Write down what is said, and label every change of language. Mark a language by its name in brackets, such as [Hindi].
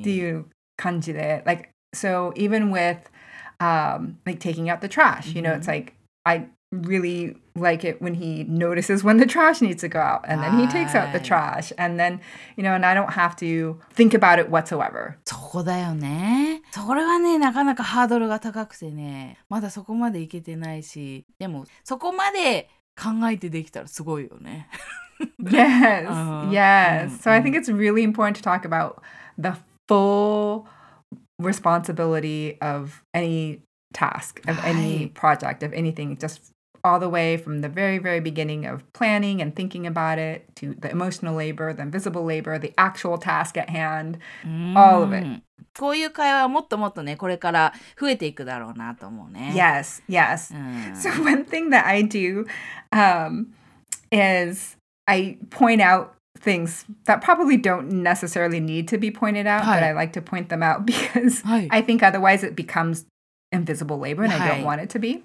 [Japanese] っていう感じで。 [English] Like, so even with, like taking out the trash, mm-hmm. you know, it's like, I... really like it when he notices when the trash needs to go out and then he takes out the trash and then you know and I don't have to think about it whatsoever. [Japanese] そこだよね。それはねなかなかハードルが高くてね、まだそこまでいけてないし、でもそこまで考えてできたらすごいよね。 [English] Yes. Yes. So I think it's really important to talk about the full responsibility of any task, of any project, of anything, justall the way from the very, very beginning of planning and thinking about it to the emotional labor, the invisible labor, the actual task at hand, all of it. [Japanese] こういう会話はもっともっとね、これから増えていくだろうなと思うね。 [English] Yes, yes. So one thing that I do, is I point out things that probably don't necessarily need to be pointed out, but I like to point them out because I think otherwise it becomesinvisible labor, and I don't want it to be.